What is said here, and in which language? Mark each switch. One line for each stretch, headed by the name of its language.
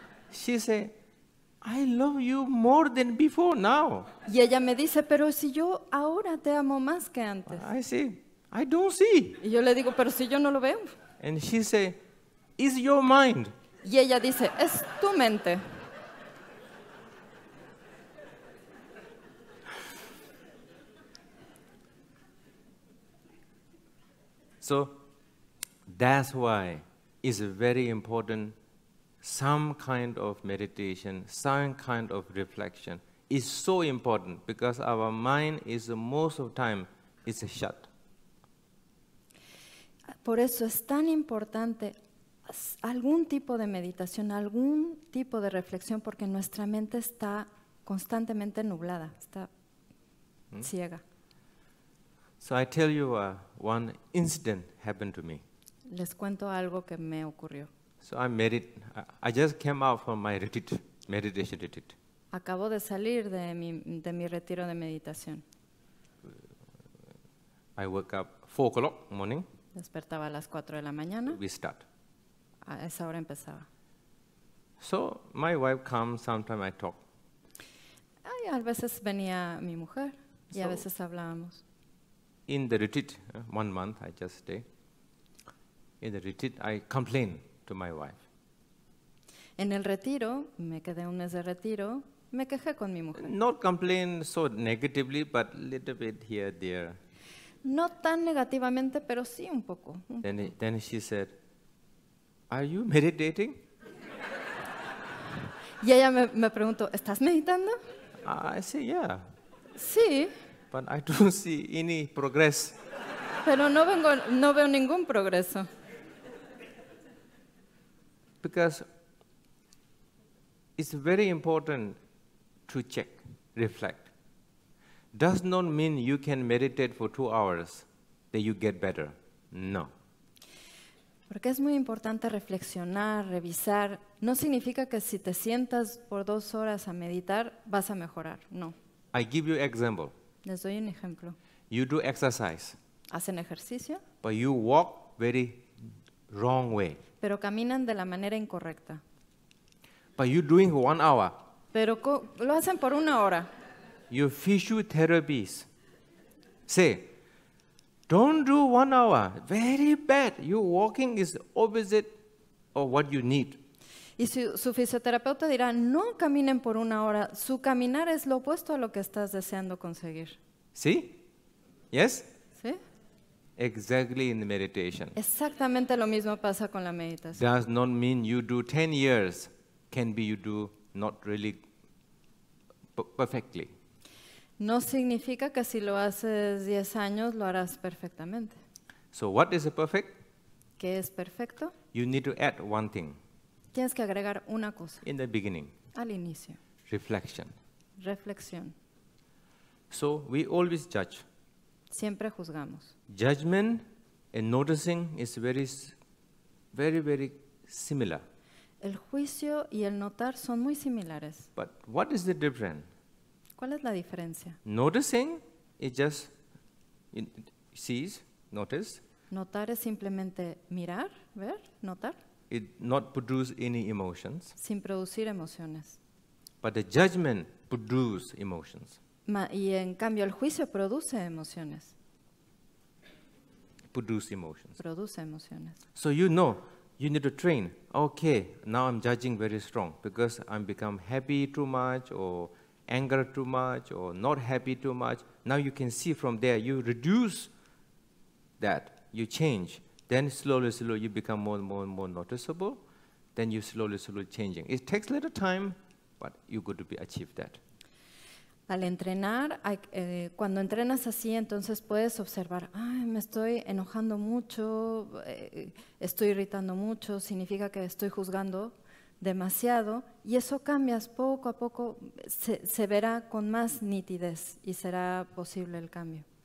English: She said, I love you more than before now.
Spanish: Y ella me dice, pero si yo ahora te amo más que antes.
English: I see. I don't see.
Spanish: Y yo le digo, pero si yo no lo veo.
English: And she say, it's your mind.
Spanish: Y ella dice, es tu mente.
English: So that's why it's very important some kind of meditation, some kind of reflection is so important because our mind is most of the time is shut.
Spanish: Por eso es tan importante algún tipo de meditación, algún tipo de reflexión, porque nuestra mente está constantemente nublada, está ciega.
English: So I tell you one incident happened to me.
Spanish: Les cuento algo que me ocurrió.
English: So I just came out from my retreat, meditation retreat.
Spanish: Acabo de salir de mi retiro de meditación.
English: I woke up 4:00 morning.
Spanish: Despertaba a las 4 de la mañana.
English: We start.
Spanish: A esa hora empezaba.
English: So my wife comes, sometimes I talk.
Spanish: Ay, a veces venía mi mujer y so, a veces hablábamos.
English: In the retreat, 1 month I just stay. In the retreat, I complain to my wife.
Spanish: En el retiro, me quedé un mes de retiro, me quejé con mi mujer.
English: Not complain so negatively, but little bit here, there.
Spanish: No tan negativamente, pero sí un poco.
English: Then she said, are you meditating?
Spanish: Y ella me preguntó, ¿estás meditando?
English: I said, yeah.
Spanish: Sí.
English: But I don't see any progress.
Spanish: Pero no veo ningún progreso.
English: Because it's very important to check, reflect. Does not mean you can meditate for 2 hours that you get better.
Spanish: No. Porque es muy importante reflexionar, revisar. No significa que si te sientas por 2 horas a meditar vas a mejorar. No.
English: I give you example.
Spanish: Les doy un ejemplo.
English: You do exercise.
Spanish: Hacen ejercicio.
English: But you walk very wrong way.
Spanish: Pero caminan de la manera incorrecta.
English: But you're doing 1 hour.
Spanish: Pero lo hacen por 1 hora.
English: Your physiotherapist say, Don't do 1 hour. Very bad. Your walking is opposite of what you need.
Spanish: Y su fisioterapeuta dirá, no caminen por una hora. Su caminar es lo opuesto a lo que estás deseando conseguir. ¿Sí?
English: ¿Yes?
Spanish: ¿Sí?
English: Exactly in the meditation.
Spanish: Exactamente lo mismo pasa con la meditación.
English: Does not mean you do 10 years. Can be you do not really perfectly.
Spanish: No significa que si lo haces 10 años lo harás perfectamente.
English: So what is a perfect?
Spanish: ¿Qué es perfecto?
English: You need to add one thing.
Spanish: Tienes que agregar una cosa.
English: In the beginning.
Spanish: Al inicio.
English: Reflection.
Spanish: Reflexión.
English: So we always judge.
Spanish: Siempre juzgamos.
English: Judgment and noticing is very, very, very similar.
Spanish: El juicio y el notar son muy similares.
English: But what is the difference?
Spanish: ¿Cuál es la diferencia?
English: Noticing is just sees, notice.
Spanish: Notar es simplemente mirar, ver, notar.
English: It not produce any emotions.
Spanish: Sin producir emociones.
English: But the judgment produce emotions.
Spanish: Y en cambio el juicio produce emociones.
English: Produce emotions.
Spanish: Produce emociones.
English: So you know, you need to train. Okay, now I'm judging very strong because I'm become happy too much or anger too much or not happy too much. Now you can see from there, you reduce that, you change. Then slowly, slowly you become more and more and more noticeable. Then you slowly, slowly changing. It takes a little time, but you're going to be achieve that.
Spanish: Al entrenar, cuando entrenas así, entonces puedes observar, ay, me estoy enojando mucho, estoy irritando mucho, significa que estoy juzgando demasiado, y eso cambias poco a poco, se verá con más nitidez y será posible el cambio.